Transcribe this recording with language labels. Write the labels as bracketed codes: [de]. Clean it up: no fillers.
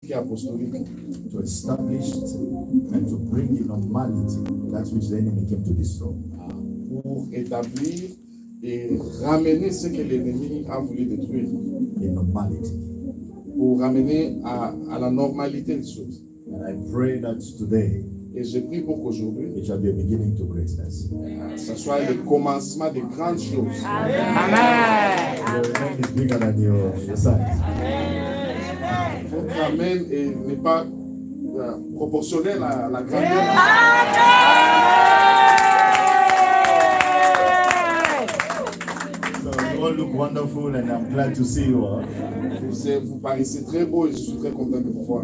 [en] apostolic to establish it and to bring in normality that which the enemy came to destroy. [fr] Pour établir et ramener ce que l'ennemi a voulu détruire. [en] In normality. [fr] Pour ramener à la normalité des choses. [en] And I pray that today. [fr] Et je prie pour qu'aujourd'hui, [en] it shall be a beginning to greatness. [fr] Ce soit le commencement de grandes choses. Amen. [en] Is bigger than your size. [fr] Votre amen n'est pas proportionnel à la grandeur. Amen. [en] So you all look wonderful, and I'm glad to see you all. [fr] Vous paraissez très beau, et je suis très content de vous voir.